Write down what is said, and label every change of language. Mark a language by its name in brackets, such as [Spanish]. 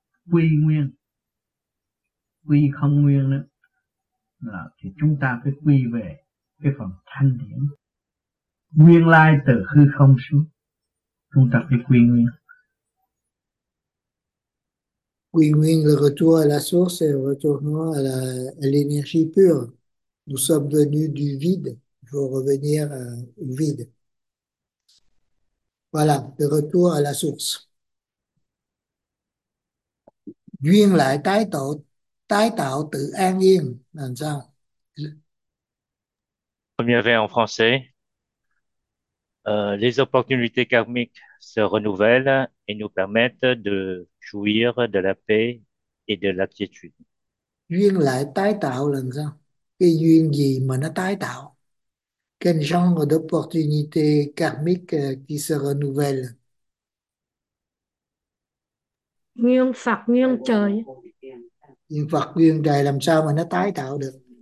[Vietnamese] Quy nguyên, quy không nguyên nữa là thì chúng ta phải quy về cái phần thanh điển nguyên lai từ hư không xuống, chúng ta phải quy nguyên. [French] Quy nguyên, le retour à la source et le retour à l'énergie pure. Nous sommes venus du vide, il faut revenir au vide. Voilà, le retour à la source. [Vietnamese] Duyên lại tái tạo tự an yên, làm sao? [French] Comme il y avait en français, les opportunités karmiques se renouvellent et nous permettent de jouir de la paix et de la quiétude. [Vietnamese] Duyên lại tái tạo là sao? Cái duyên gì mà nó tái tạo? [French] Quel genre d'opportunité karmique qui se renouvelle? [Vietnamese] Nguyên Phật, nguyên trời. Duyên Phật, duyên trời làm sao mà nó tái tạo được?